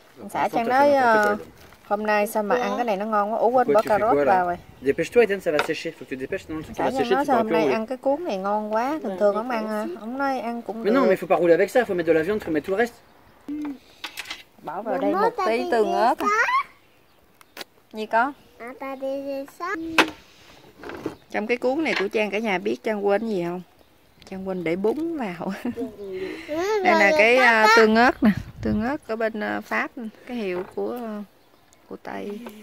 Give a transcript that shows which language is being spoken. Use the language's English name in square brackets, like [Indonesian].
[Vietnamese] Xã Trang nói hôm nay sao mà ăn cái này nó ngon quá. Ủa, quên bỏ cà rốt vào rồi. [French] Dépêche-toi, Eden, ça va sécher. Faut que tu dépêches, sinon ça va sécher. [Vietnamese] Xã Trang nói hôm nay ăn cái cuốn này ngon quá. Thường thường ông ăn, ông nói ăn cũng được. [French] Mais non, mais faut pas rouler avec ça. Faut mettre de la viande, faut mettre tout le reste. [Vietnamese] Bỏ vào đây một tí tương ớt. Gì con? À, ta đi về sớm. Trong cái cuốn này của Trang cả nhà biết Trang quên gì không? Trang quên để bún vào. Đây là cái tương ớt nè, tương ớt ở bên Pháp, cái hiệu của Tây.